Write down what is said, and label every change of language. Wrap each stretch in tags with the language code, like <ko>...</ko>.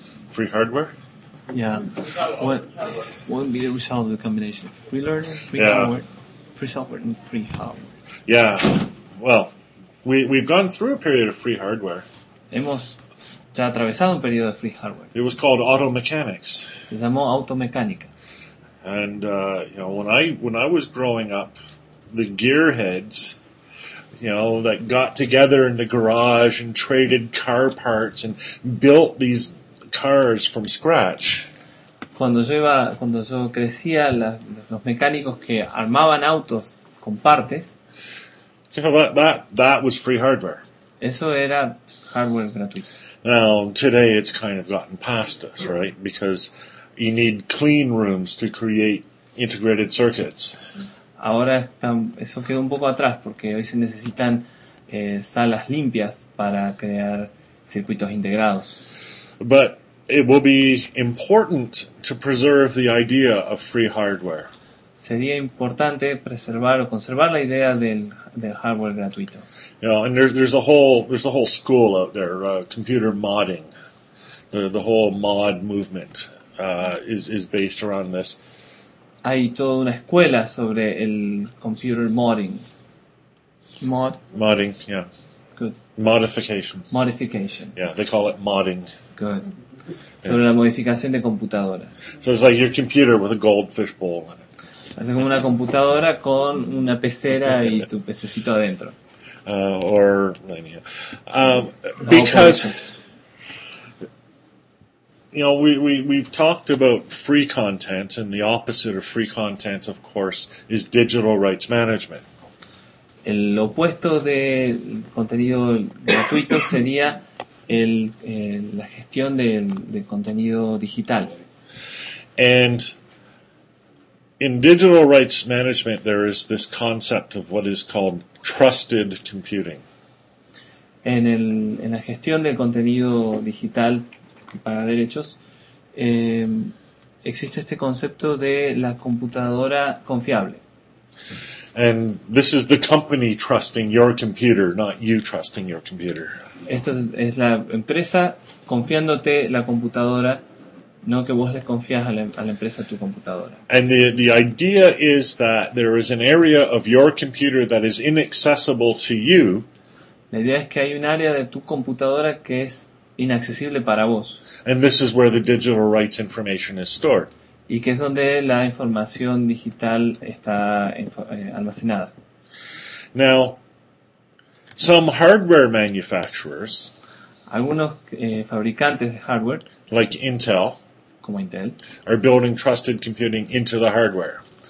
<en>Free hardware. Yeah, what would be the result of the combination of free learning, free software, and free hardware? Yeah, well, we've gone through a period of free hardware.</en> <es>Hemos ya atravesado un periodo de</es> <en>free hardware. It was called auto mechanics.</en> <es>Se llamó automecánica.</es> <en>And when I was growing up, the gearheads, you know, that got together in the garage and traded car parts and built these cars from scratch.</en> <es>Cuando yo crecía, los mecánicos que armaban autos con partes.</es> <en>You know, that was free hardware.</en> <es>Eso era hardware gratuito.</es> <en>Now today it's kind of gotten past us, right? Because you need clean rooms to create integrated circuits.</en> <es>Ahora eso quedó un poco atrás porque hoy se necesitan salas limpias para crear circuitos integrados.</es> <en>But it will be important to preserve the idea of free hardware.</en> <es>Sería importante preservar o conservar la idea del hardware gratuito.</es> <en>You know, and there's a whole school out there, computer modding. The whole mod movement is based around this.</en> <es>Hay toda una escuela sobre el computer modding.</es> <en>Mod. Modding, yeah. Good. Modification. Modification. Yeah, they call it modding. Good.</en> <es>Sobre la modificación de computadoras.</es> <en>So it's like your computer with a goldfish bowl in it.</en> <es>Así como una computadora con una pecera y tu pececito adentro.</es> <en>Because you know, we've talked about free content, and the opposite of free content, of course, is digital rights management.</en> <es>El opuesto de contenido gratuito sería la gestión del contenido digital.</es> <en>And in digital rights management, there is this concept of what is called trusted computing.</en> <es>En la gestión del contenido digital para derechos, existe este concepto de la computadora confiable.</es> <en>And this is the company trusting your computer, not you trusting your computer.</en> <es>Esto es la empresa confiándote la computadora, no que vos le confías a la empresa tu computadora.</es> <en>And the idea is that there is an area of your computer that is inaccessible to you.</en> <es>La idea es que hay un área de tu computadora que es inaccesible para vos.</es> <en>And this is where the digital rights information is stored.</en> <es>Y que es donde la información digital está almacenada.</es> <en>Now, some hardware manufacturers,</en> <es>algunos fabricantes de hardware,</es> <en>like Intel,</en> <es>como Intel,</es> <en>are building trusted computing into the hardware.</en>